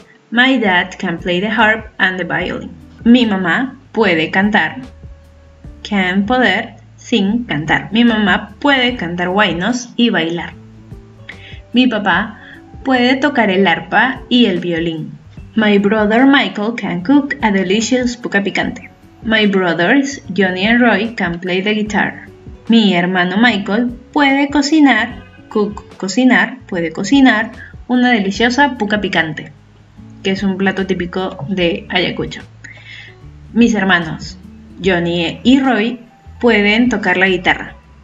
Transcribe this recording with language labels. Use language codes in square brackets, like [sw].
[en] My dad can play the harp and the violin. [es] Mi mamá puede cantar, can poder, sin cantar. Mi mamá puede cantar guaynos y bailar. Mi papá puede tocar el arpa y el violín. [en] My brother Michael can cook a delicious puca picante. My brothers Johnny and Roy can play the guitar. [es] Mi hermano Michael puede cocinar, puede cocinar una deliciosa puca picante, que es un plato típico de Ayacucho. Mis hermanos Johnny y Roy pueden tocar la guitarra.